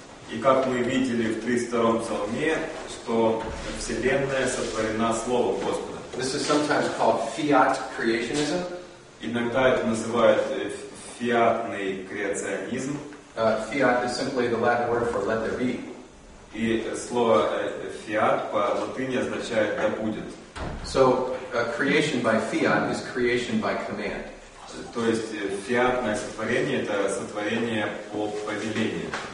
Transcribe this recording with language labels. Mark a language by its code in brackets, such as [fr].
[ru] И как мы видели в 32-м псалме, что Вселенная сотворена Словом Господа. [en] This is sometimes called fiat creationism. [ru] Иногда это называют фиатный креационизм. [en] Fiat is simply the Latin word for let there be. [ru] И слово fiat по-латыни означает «да будет». [en] So, creation by fiat is creation by command. [ru] То есть фиатное сотворение это сотворение по повелению.